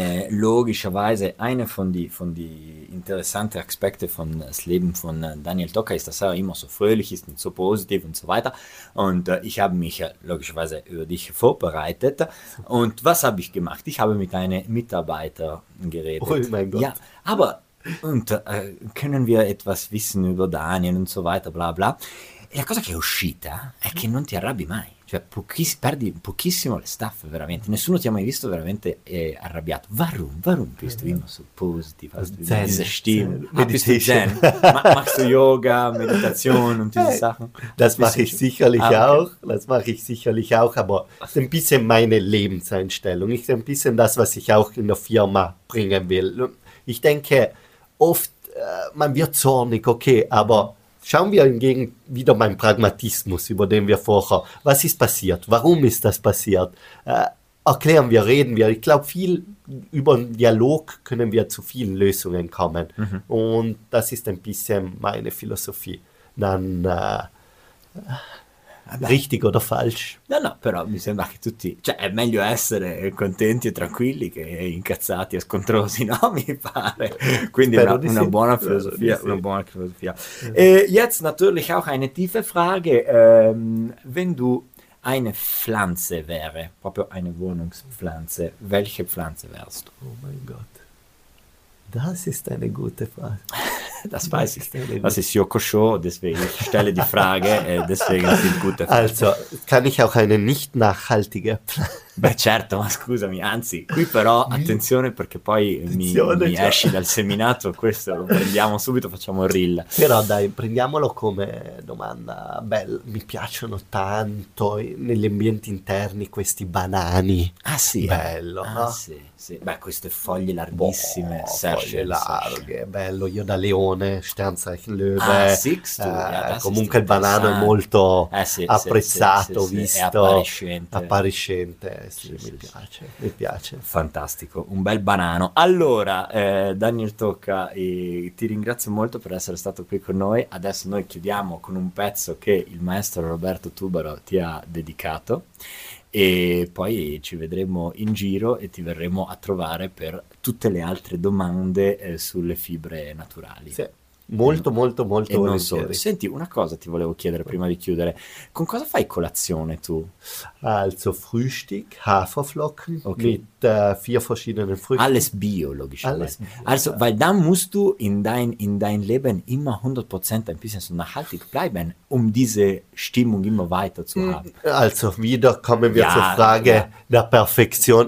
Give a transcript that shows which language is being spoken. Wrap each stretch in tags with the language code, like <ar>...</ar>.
<de>Logischerweise eine von die interessante Aspekte von das Leben von Daniel Tocca ist, dass er immer so fröhlich ist und so positiv und so weiter. Und ich habe mich logischerweise über dich vorbereitet. Und was habe ich gemacht? Ich habe mit einem Mitarbeiter geredet. Oh mein Gott. Ja, aber und können wir etwas wissen über Daniel und so weiter, bla bla.</de> <it>E la cosa che è uscita è che non ti arrabbi mai. Cioè, perdi pochissimo le staffe, veramente. Nessuno ti ha mai visto veramente arrabbiato.</it> <de>Warum bist du immer so positiv? Zen. Machst du Yoga, Meditation und diese Sachen? Das mache ich sicherlich auch. Das mache ich sicherlich auch. Aber ist ein bisschen meine Lebenseinstellung. Ist ein bisschen das, was ich auch in der Firma bringen will. Ich denke, oft, man wird zornig, okay, aber schauen wir hingegen wieder meinen Pragmatismus, über den wir vorher, was ist passiert, warum ist das passiert, erklären wir, reden wir. Ich glaube, viel über den Dialog können wir zu vielen Lösungen kommen. Mhm. Und das ist ein bisschen meine Philosophie. Dann richtig oder falsch?</de> <it>No, però mi sembra che tutti... Cioè, è meglio essere contenti e tranquilli che incazzati e scontrosi, no? Mi pare. Quindi una buona filosofia. Sì. Una buona filosofia.</it> <de>Jetzt natürlich auch eine tiefe Frage. Wenn du eine Pflanze wäre, proprio eine Wohnungspflanze, welche Pflanze wärst du? Oh mein Gott. Das ist eine gute Frage. Das weiß ich. Das ist Yoko Show, deswegen ich stelle die Frage, deswegen ist es gut. Also, kann ich auch eine nicht nachhaltige Pflanze?</de> <it>Beh, certo, ma scusami, anzi, qui però, attenzione, perché poi attenzione, mi esci dal seminato, questo lo prendiamo subito, facciamo il reel. Però dai, prendiamolo come domanda. Beh, mi piacciono tanto negli ambienti interni questi banani. Ah sì? Bello, ah, no? Sì, sì. Beh, queste foglie larghissime. Oh, foglie larghe, bello, io da Leone.</it> <de>Sternzeichen Löwe,</de> <it>comunque il banano è molto apprezzato, visto, appariscente, mi piace, fantastico, un bel banano. Allora, Daniel Tocca, ti ringrazio molto per essere stato qui con noi. Adesso noi chiudiamo con un pezzo che il maestro Roberto Tubaro ti ha dedicato e poi ci vedremo in giro e ti verremo a trovare per tutte le altre domande sulle fibre naturali. Sì, molto molto molto e non solo. Senti, una cosa ti volevo chiedere prima di chiudere. Con cosa fai colazione tu?</it> <de>Also Frühstück, Haferflocken, okay, mit vier verschiedenen Früchten. Alles bio, logischerweise. Also, weil dann musst du in dein Leben immer 100% ein bisschen so nachhaltig bleiben, um diese Stimmung immer weiter zu haben. Also, wieder kommen wir zur Frage der Perfektion.</de>